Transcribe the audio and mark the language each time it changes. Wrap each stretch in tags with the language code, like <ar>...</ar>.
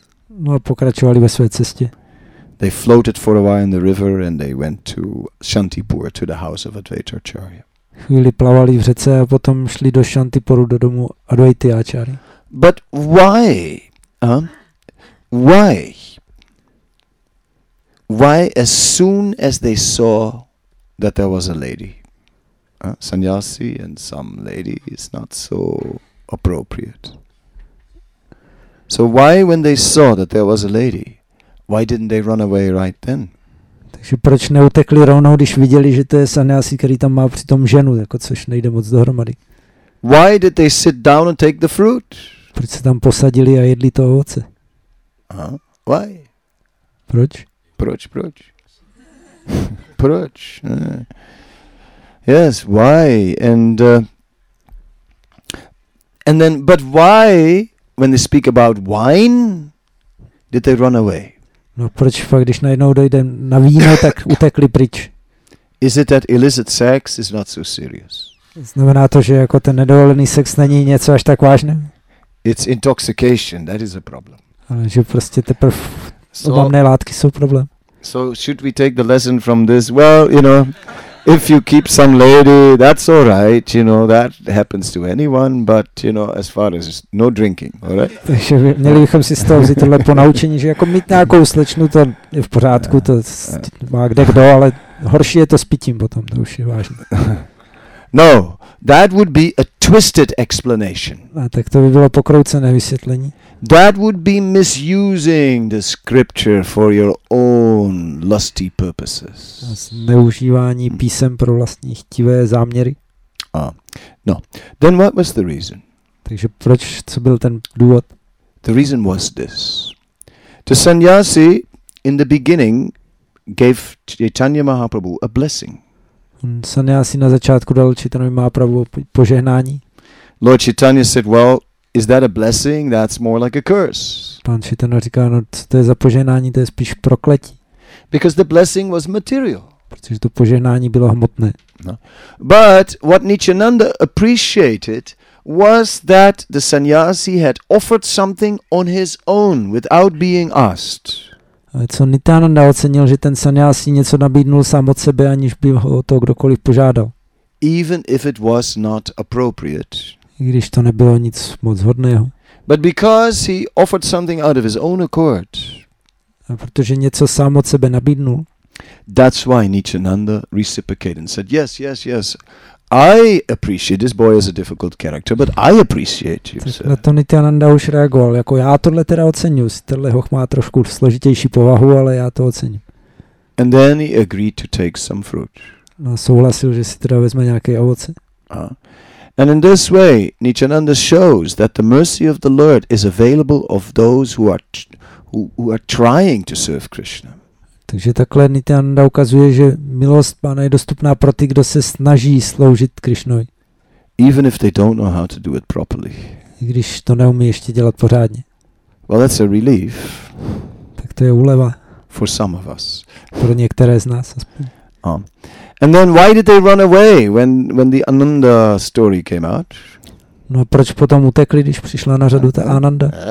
<cs>No, pokračovali ve své cestě.</cs> <en>They floated for a while in the river and they went to Shantipur, to the house of Advaita Acharya.</en> <cs>Chvíli plavali v řece a potom šli do Shantipuru, do domu Advaity Acharya.</cs> <en>But why? Why? Why as soon as they saw that there was a lady? Sannyasi and some lady is not so appropriate. So why when they saw that there was a lady, why didn't they run away right then?</en> <cs>Takže proč neutekli rovnou, když viděli, že to je sannyasi, který tam má přitom ženu, jako což nejde moc dohromady?</cs> <en>Why did they sit down and take the fruit?</en> <cs>Proč se tam posadili a jedli to ovoce?</cs> <en>Why?</en> <cs>Proč? Proč?</cs> <en>Yes, why? But why, when they speak about wine, did they run away?</en> <cs>No, proč fakt, když najednou dojde na víno, tak utekli pryč?</cs> <en>Is it that illicit sex is not so serious?</en> <cs>Znamená to, že jako ten nedovolený sex není něco až tak vážné?</cs> <en>It's intoxication, that is a problem.</en> <cs>Ale že prostě teprve odlomné látky jsou problém.</cs> <en>So should we take the lesson from this? Well, you know, if you keep some lady, that's all right, you know, that happens to anyone, but, you know, as far as no drinking, all right?</en> <cs>Takže měli bychom si z toho vzít tohle ponaučení, že jako mít nějakou slečnu, to je v pořádku, to má kde kdo, ale horší je to s pitím potom, to už je vážné.</cs> <en>No, that would be a twisted explanation.</en> <cs>A tak to by bylo pokroucené vysvětlení.</cs> <en>That would be misusing the scripture for your own lusty purposes.</en> <cs>Zneužívání písem pro vlastní chtivé záměry.</cs> <en>No. Then what was the reason?</en> <cs>Takže proč, co byl ten důvod?</cs> <en>The reason was this. The sannyasi in the beginning gave Chaitanya Mahaprabhu a blessing.</en> <cs>Sannyasi na začátku dal Chaitanya Mahaprabhu požehnání.</cs> <en>Lord Chaitanya said, well, is that a blessing? That's more like a curse.</en> <cs>Pan Chaitanya říká, no, to je za požehnání, to je spíš prokletí.</cs> <en>Because the blessing was material.</en> <cs>Protože to požehnání bylo hmotné. No.</cs> <en>But what Nityananda appreciated was that the sannyasi had offered something on his own without being asked.</en> <cs>Ale co Nityananda ocenil, že ten sannyasi něco nabídnul sám od sebe, aniž by ho o to kdokoliv požádal.</cs> <en>Even if it was not appropriate.</en> <cs>I když to nebylo nic moc hodného.</cs> <en>But because he offered something out of his own accord.</en> <cs>A protože něco sám od sebe nabídnul.</cs> <en>That's why Nityananda reciprocated and said, "Yes, yes, yes. I appreciate this boy as a difficult character, but I appreciate you."</en> <cs>Na to Nityananda už reagoval, jako já tohle teda ocením, tenhle hoch má trošku složitější povahu, ale já to ocením.</cs> <en>And then he agreed to take some fruit.</en> <cs>No, souhlasil, že si teda vezme nějaké ovoce.</cs> <en>And in this way, Nityananda shows that the mercy of the Lord is available of those who are trying to serve Krishna.</en> <cs>Takže takhle Nityananda ukazuje, že milost Pána je dostupná pro ty, kdo se snaží sloužit Krišnovi.</cs> <en>Even if they don't know how to do it properly.</en> <cs>I když to neumí ještě dělat pořádně.</cs> <en>Well, that's a relief.</en> <cs>Tak to je úleva.</cs> <en>For some of us.</en> <cs>Pro některé z nás aspoň.</cs> <en>And then why did they run away when the Ananda story came out?</en> <cs>No a proč potom utekli, když přišla na řadu ta Ananda?</cs>